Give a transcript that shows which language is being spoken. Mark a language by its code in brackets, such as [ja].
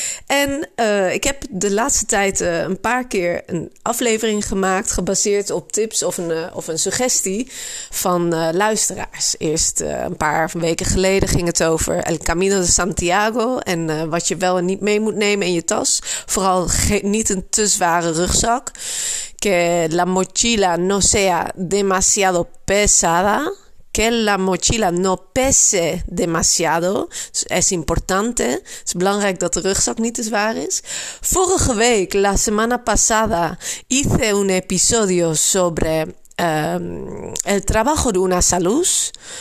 [nl] En ik heb de laatste tijd een paar keer een aflevering gemaakt gebaseerd op tips of een suggestie van luisteraars. Eerst een paar weken geleden ging het over El Camino de Santiago en wat je wel en niet mee moet nemen in je tas. Vooral niet een te zware rugzak. [es] Que la mochila no sea demasiado pesada. Que la mochila no pese demasiado. Es importante. [nl] Het is belangrijk dat de rugzak niet te zwaar is. Vorige week, [es] la semana pasada, hice un episodio sobre el trabajo de una salud.